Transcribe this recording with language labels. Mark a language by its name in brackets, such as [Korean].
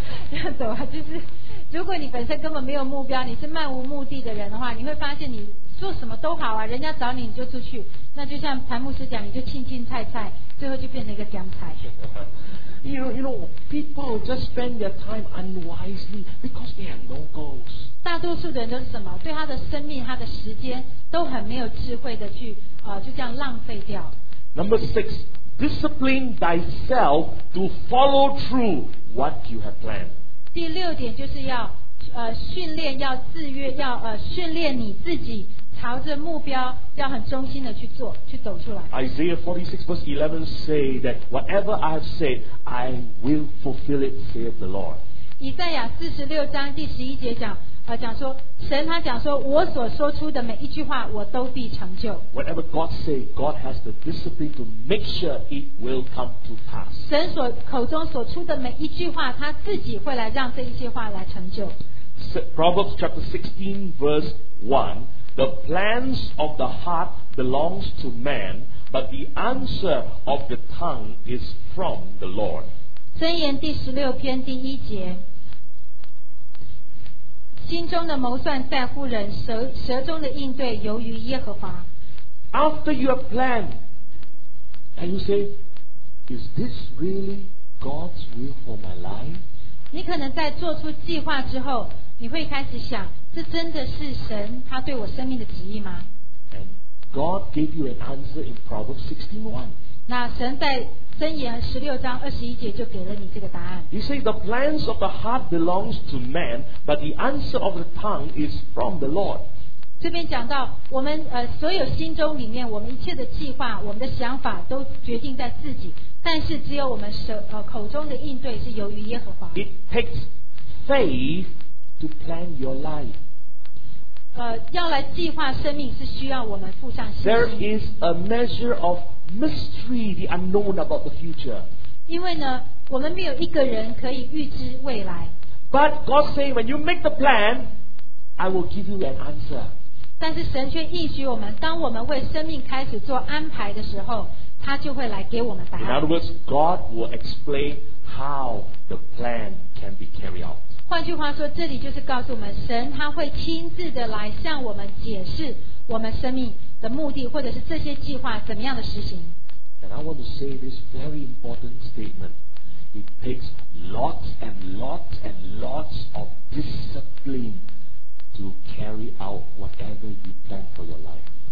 [Chinese] 这样走啊，就是如果你本身根本没有目标，你是漫无目的的人的话，你会发现你做什么都好啊，人家找你你就出去，那就像谭牧师讲，你就青青菜菜，最后就变成一个姜菜。 [English] You know, people just spend their time unwisely because they have no goals. [Chinese] 大多数的人都是什么？对他的生命、他的时间都很没有智慧的去就这样浪费掉。 [English] Number six, discipline thyself to follow through what you have planned. [Chinese] 第六点就是要训练，要自约，要训练你自己朝着目标要很忠心的去做，去走出来。 [English] Isaiah 46 verse 11 say that whatever I have said I will fulfill it, saith the Lord. [Chinese] 以赛亚46章第11节讲讲说神他讲说我所说出的每一句话我都必成就。 [English] Whatever God say, God has the discipline to make sure it will come to pass. [Chinese] 神所口中所出的每一句话他自己会来让这一些话来成就。 [English] Proverbs chapter 16 verse 1 The plans of the heart belongs to man, but the answer of the tongue is from the Lord. [Chinese] 箴言第16篇第1节心中的谋算在乎人，舌中的应对由于耶和华。 [English] After you have planned, and you say, "Is this really God's will for my life?" [Chinese] 你可能在做出计划之后，你会开始想，这真的是神他对我生命的旨意吗 [English] ？And God gave you an answer in Proverbs 16:1. [Chinese] 那神在箴言16章21节就给了你这个答案。 [English] He says the plans of the heart belongs to man, but the answer of the tongue is from the Lord. [Chinese] 这边讲到我们所有心中里面我们一切的计划我们的想法都决定在自己，但是只有我们口中的应对是由于耶和华。 [English] It takes faith to plan your life. [Chinese] 要来计划生命是需要我们付上信心。 [English] There is a measure ofMystery, the unknown about the future. [Chinese] 因为呢，我们没有一个人可以预知未来。 [English] But God say, when you make the plan, I will give you an answer. [Chinese] 但是神却应许我们，当我们为生命开始做安排的时候，他就会来给我们答案。 [English] In other words, God will explain how the plan can be carried out. [Chinese] 换句话说，这里就是告诉我们，神他会亲自的来向我们解释我们生命。的目的或者是这些计划怎么样的实行。 [English] And I want to say this very important statement. It takes lots and lots and lots of discipline to carry out whatever you plan for your life.